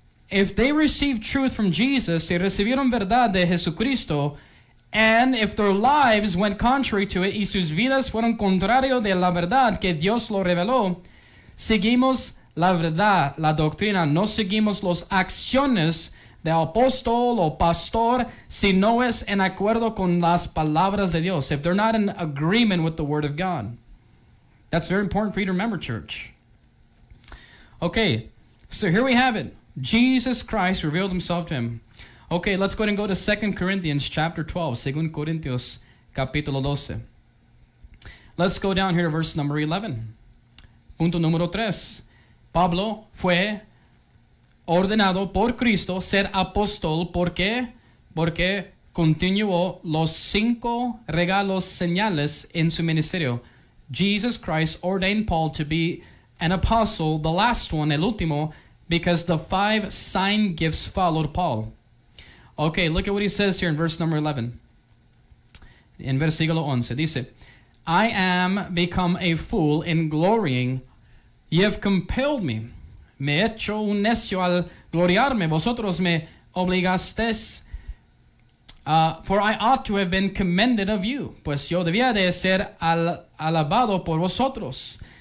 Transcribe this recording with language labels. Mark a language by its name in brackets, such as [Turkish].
[English] If they received truth from Jesus, [Spanish] si recibieron verdad de Jesucristo, [English] and if their lives went contrary to it, [Spanish] y sus vidas fueron contrario de la verdad que Dios lo reveló, seguimos la verdad, la doctrina. No seguimos las acciones de apóstol o pastor si no es en acuerdo con las palabras de Dios. [English] If they're not in agreement with the word of God. That's very important for you to remember, church. Okay, so here we have it. Jesus Christ revealed himself to him. Okay, let's go ahead and go to 2 Corinthians chapter 12. [Spanish] 2 Corinthians capítulo 12. [English] Let's go down here to verse number 11. [Spanish] Punto número 3. Pablo fue ordenado por Cristo ser apóstol. ¿Por qué? Porque continuó los cinco regalos señales en su ministerio. [English] Jesus Christ ordained Paul to be an apostle, the last one, [Spanish] el último, [English] because the five sign gifts followed Paul. Okay, look at what he says here in verse number 11. In [Spanish] versículo 11, dice, [English] I am become a fool in glorying. You have compelled me. [Spanish] Me he hecho un necio al gloriarme. Vosotros me obligasteis. [English] For I ought to have been commended of you. [Spanish] Pues yo debía de ser alabado por vosotros.